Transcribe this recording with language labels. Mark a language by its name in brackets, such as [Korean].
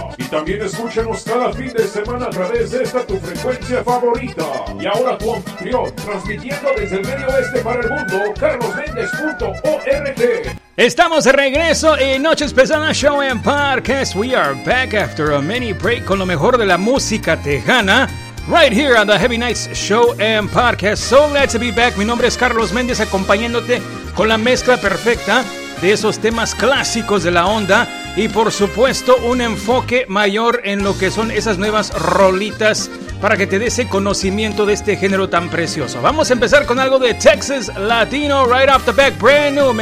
[Spanish] Y también escúchanos cada fin de semana a través de esta tu frecuencia favorita. Y ahora tu anfitrión, transmitiendo desde el medio oeste para el mundo, carlosmendez.org. Estamos de regreso en Noches Pesadas Show and Podcast. [English] We are back after a mini break [Spanish] con lo mejor de la música tejana. [English] Right here on the Heavy Nights Show and Podcast. So glad to be back. [Spanish] Mi nombre es Carlos Méndez, acompañándote con la mezcla perfecta de esos temas clásicos de la onda. Y por supuesto, un enfoque mayor en lo que son esas nuevas rolitas, para que te dé ese conocimiento de este género tan precioso. Vamos a empezar con algo de Texas Latino, [English] right off the back, brand new.